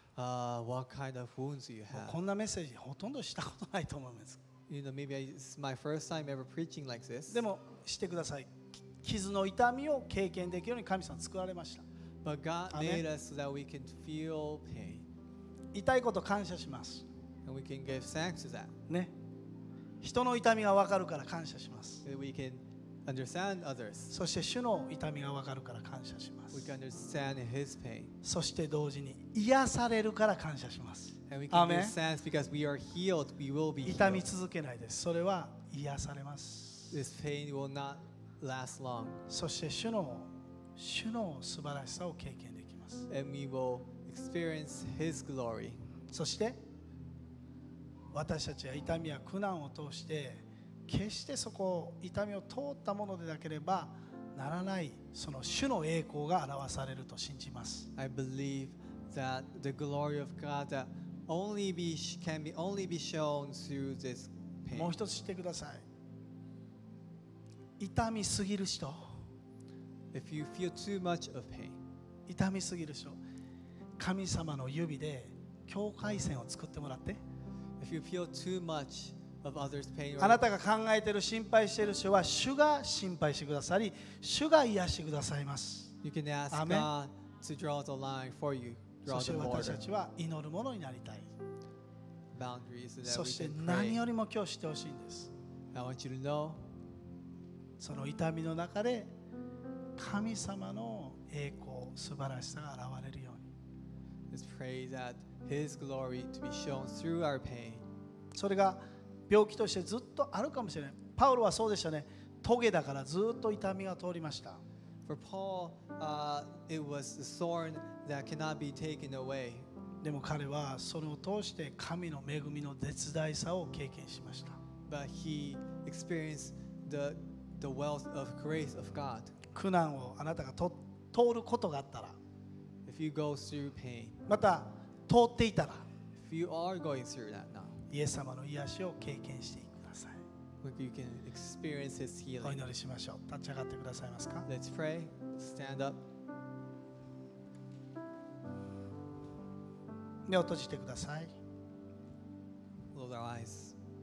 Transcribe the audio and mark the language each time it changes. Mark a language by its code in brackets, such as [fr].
[en] What kind of wounds you have? [ja] こんなメッセージほとんどしたことないと思います。 [en] You know, maybe it's my first time ever preaching like this. [ja] でもしてください。傷の痛みを経験できるように神様作られました。 [en] But God made us so that we can feel pain. [ja] 痛いこと感謝します。 [en] And we can give thanks to that. [ja] ね、人の痛みが分かるから感謝します。 [en] We can understand others. [ja] そして主の痛みが分かるから感謝します。 [en] We can understand his pain. [ja] そして同時に癒されるから感謝します。 [en] And we can give thanks because we are healed. We will be healed. [ja] 痛み続けないです。それは癒されます。 [en] This pain will not last long. [ja] そして主の素晴らしさを経験できます。ます。 [en] And we will experience His glory. [ja] そして私たちは痛みや苦難を通して決してそこを痛みを通ったものでなければならないその主の栄光が表されると信じます。 [en] I believe that the glory of God that only be, can be only be shown through this pain. [ja] もう一つ知ってください。痛みすぎる人。 [en] If you feel too much of pain. [ja] 痛みすぎる人。神様の指で境界線を作ってもらって。 [en] If you feel too much. Of others pain [ja] あなたが考えている心配している人は主が心配してくださり主が癒してくださいます。 [en] You can ask God to draw the line for you, draw the border. [ja] そして私たちは祈るものになりたい。 [en] Boundaries that we can pray. [ja] そして何よりも今日知ってほしいんです。 [en] I want you to know. [ja] その痛みの中で神様の栄光素晴らしさが現れるように。 [en] Let's pray that His glory to be shown through our pain. [ja] それが病気としてずっとあるかもしれない。パウロはそうでしたね。トゲだからずっと痛みが通りました。 [en] For Paul, it was the thorn that cannot be taken away. [ja] でも彼はそれを通して神の恵みの絶大さを経験しました。 [en] But he experienced the wealth of grace of God. [ja] 苦難をあなたが通ることがあったら、 [en] If you go through pain, [ja] また通っていたら、 [en] If you are going through that now. [ja] イエス様の癒しを経験してください。 [en] You can experience His healing. [ja] お祈りしましょう。立ち上がってくださいますか。 [en] Let's pray. Stand up. [ja] 目を閉じてください。 [en] Close our eyes.